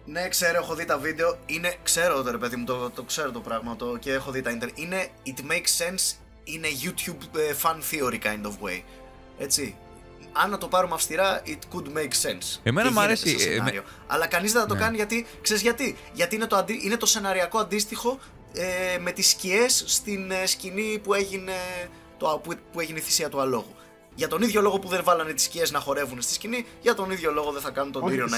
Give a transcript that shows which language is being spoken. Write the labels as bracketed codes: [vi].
[el] Ναι, ξέρω, έχω δει τα βίντεο. Είναι, ξέρω, ρε παιδί μου, το ξέρω το πράγμα το, και έχω δει τα ίντερ. Είναι [en] it makes sense in a YouTube fan theory kind of way. [el] Έτσι. αν να το πάρουμε αυστηρά, [en] it could make sense. [el] Εμένα μου αρέσει. Αλλά κανείς δεν θα το κάνει γιατί, ξέρεις γιατί. Γιατί είναι το, είναι το σεναριακό αντίστοιχο με τις σκιές στην σκηνή που έγινε, που έγινε η θυσία του αλόγου. Για τον ίδιο λόγο που δεν βάλανε τις σκιές να χορεύουν στη σκηνή, για τον ίδιο λόγο δεν θα κάνουν τον Τύριο να είναι.